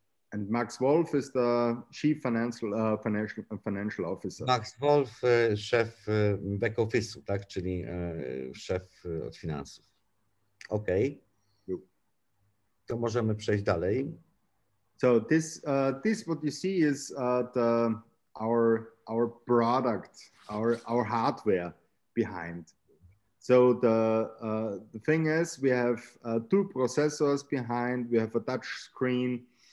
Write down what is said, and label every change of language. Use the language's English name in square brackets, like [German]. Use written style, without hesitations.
[English] And Max Wolf is the chief financial officer. [Polish] Max Wolf, szef back office, tak, czyli szef od finansów. Okej. Okay. To możemy przejść dalej. [English] So this what you see is our product, our hardware behind. So the thing is, we have two processors behind. We have a touch screen.